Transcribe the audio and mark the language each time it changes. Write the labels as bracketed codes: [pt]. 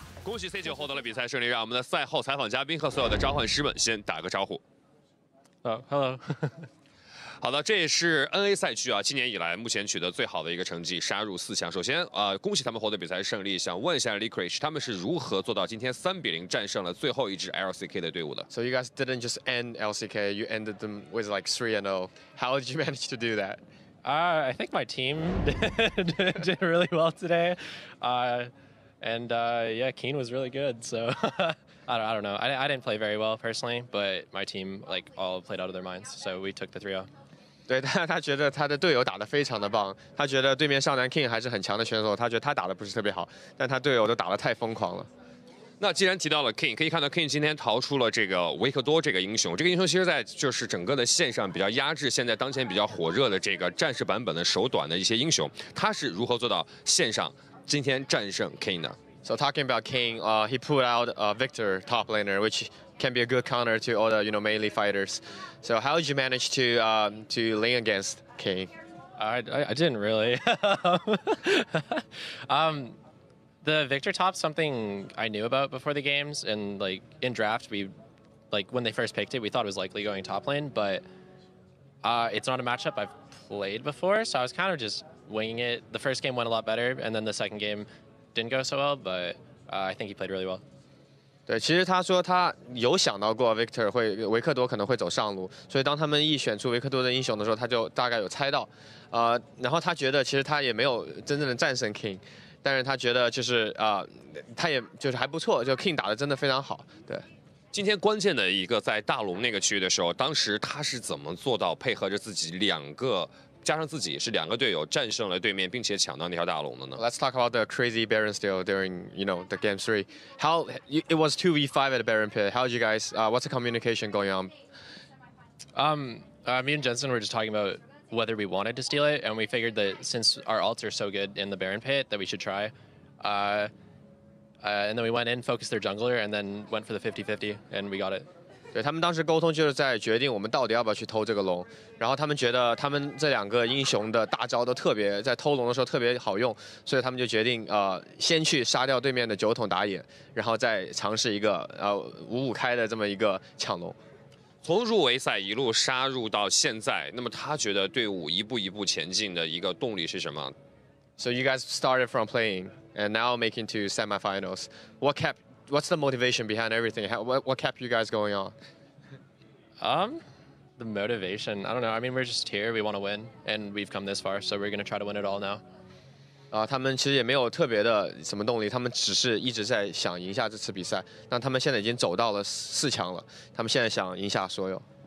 [zh] 恭喜 C 九获得了比赛胜利，让我们的赛后采访嘉宾和所有的召唤师们先打个招呼。 [en] Hello。 [zh] 好的，这也是 NA 赛区啊，今年以来目前取得最好的一个成绩，杀入四强。首先啊、恭喜他们获得比赛胜利。想问一下 Licorice， 他们是如何做到今天3-0战胜了最后一支 LCK 的队伍的 [en] ？So you guys didn't just end LCK, you ended them with like 3-0. How did you manage to do that? I think my team did really well today. Yeah, Keen was really good. So I don't know. I didn't play very well personally, but my team like all played out of their minds. So we took the 3-0. [zh] 对，他觉得他的队友打得非常的棒，他觉得对面上单 King 还是很强的选手，他觉得他打得不是特别好，但他队友都打得太疯狂了。那既然提到了 King， 可以看到 King 今天逃出了这个维克多这个英雄。这个英雄其实在就是整个的线上比较压制现在当前比较火热的这个战士版本的手短的一些英雄，他是如何做到线上今天战胜 King 呢？ [en] So talking about King, he pulled out a Victor top laner, whichcan be a good counter to all the, you know, melee fighters. So how did you manage to lean against King? I didn't really. the Victor top, something I knew about before the games, and like in draft, we, like when they first picked it, we thought it was likely going top lane, but it's not a matchup I've played before, so I was kind of just winging it. The first game went a lot better, and then the second game didn't go so well, but I think he played really well. [zh] 对，其实他说他有想到过 Victor 会维克多可能会走上路，所以当他们一选出维克多的英雄的时候，他就大概有猜到，然后他觉得其实他也没有真正的战胜 King， 但是他觉得就是他也就是还不错，就 King 打得真的非常好。对，今天关键的一个在大龙那个区域的时候，当时他是怎么做到配合着自己两个？加上自己是两个队友战胜了对面，并且抢到那条大龙的呢。 [en] Let's talk about the crazy Baron steal during, you know, the game three. How it was 2v5 at the Baron pit. How did you guys? What's the communication going on? Me and Jensen were just talking about whether we wanted to steal it, and we figured that since our ults are so good in the Baron pit that we should try. And then we went in, focused their jungler, and then went for the 50-50, and we got it. [zh] 对他们当时沟通就是在决定我们到底要不要去偷这个龙，然后他们觉得他们这两个英雄的大招都特别在偷龙的时候特别好用，所以他们就决定先去杀掉对面的酒桶打野，然后再尝试一个五五开的这么一个抢龙。从入围赛一路杀入到现在，那么他觉得队伍一步一步前进的一个动力是什么 [en] ？So you guys started from playing and now making to semifinals. What kept? What's the motivation behind everything? What kept you guys going on? The motivation, I don't know. I mean, we're just here. We want to win, and we've come this far, so we're gonna try to win it all now. [zh] 他们其实也没有特别的什么动力，他们只是一直在想赢下这次比赛。那他们现在已经走到了四强了，他们现在想赢下所有。